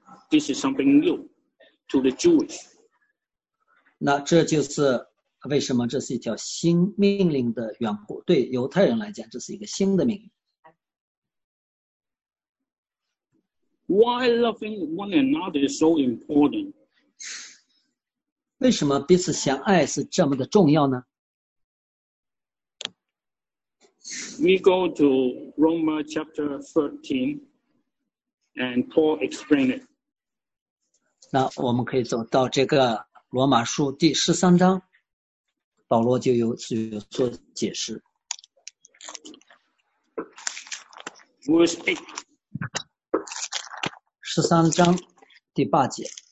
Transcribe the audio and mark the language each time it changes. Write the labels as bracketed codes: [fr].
[en] This is something new to the Jewish. [zh] 那这就是为什么这是一条新命令的缘故。对犹太人来讲，这是一个新的命令。 [en] Why loving one another is so important? [zh] 为什么彼此相爱是这么的重要呢？ [en] We go to Romans chapter 13, and Paul explained it. [zh] 那我们可以走到这个罗马书第十三章，保罗就有做解释。 [en] Verse 8. [zh] 十三章第八节。